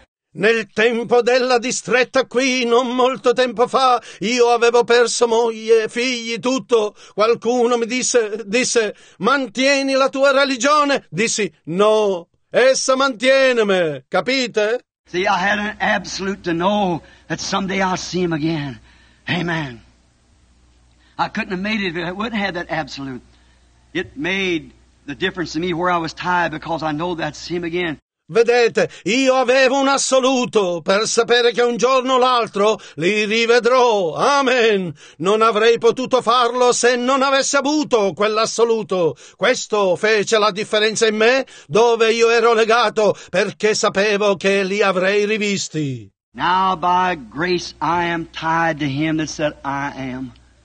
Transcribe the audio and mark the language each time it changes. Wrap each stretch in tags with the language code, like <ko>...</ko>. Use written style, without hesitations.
<it>Nel tempo della distretta qui, non molto tempo fa, io avevo perso moglie, figli, tutto. Qualcuno mi disse, mantieni la tua religione? Dissi, no, essa mantiene me, capite?</it> <en>See, I had an absolute to know that someday I'll see him again. Amen. I couldn't have made it if I wouldn't have that absolute. It made the difference to me where I was tied because I know that's him again.</en> <it>Vedete, io avevo un assoluto per sapere che un giorno o l'altro li rivedrò. Amen. Non avrei potuto farlo se non avessi avuto quell'assoluto. Questo fece la differenza in me dove io ero legato perché sapevo che li avrei rivisti.</it> <en>Now by grace I am tied to him that said I am.</en>